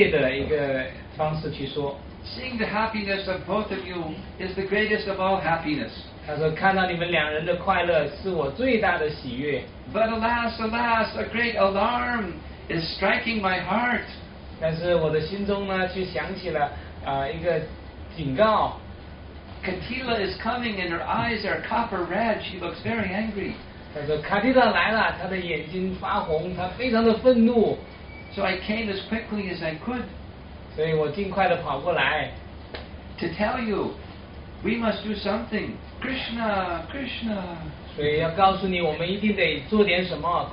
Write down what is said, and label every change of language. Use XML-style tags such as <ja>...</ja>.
<zh>所以她以非常专业的一个方式去说。</zh> <en>Seeing the happiness of both of you is the greatest of all happiness.</en> <zh>他说看到你们两人的快乐是我最大的喜悦。</zh> <en>But alas, alas, a great alarm is striking my heart.</en> <zh>但是我的心中呢，却响起了一个警告。</zh> <en>Katila is coming and her eyes are copper red. She looks very angry.</en> <zh>他说卡蒂拉来了，她的眼睛发红，她非常的愤怒。 So I came as quickly as I could. 所以我尽快地跑过来</zh> <en>to tell you we must do something. Krishna, Krishna.</en> <zh>所以要告诉你我们一定得做点什么。</zh>